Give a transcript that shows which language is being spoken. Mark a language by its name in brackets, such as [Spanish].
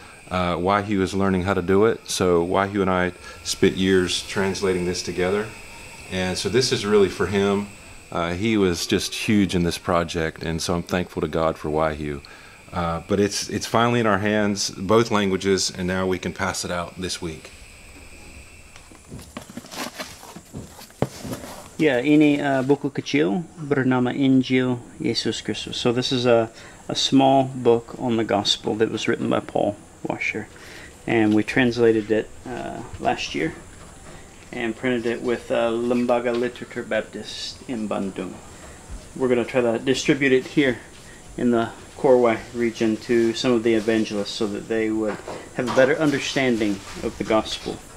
[English] Wahyu is learning how to do it, so Wahyu and I spent years translating this together. And so this is really for him. He was just huge in this project, and so I'm thankful to God for Wahyu. But it's finally in our hands, both languages, and now we can pass it out this week. [Indonesian] Yeah, ini buku kecil bernama Injil Yesus Kristus. [English] So this is a small book on the gospel that was written by Paul Washer. And we translated it last year and printed it with Lembaga Literatur Baptist in Bandung. We're going to try to distribute it here in the Korowai region to some of the evangelists so that they would have a better understanding of the gospel.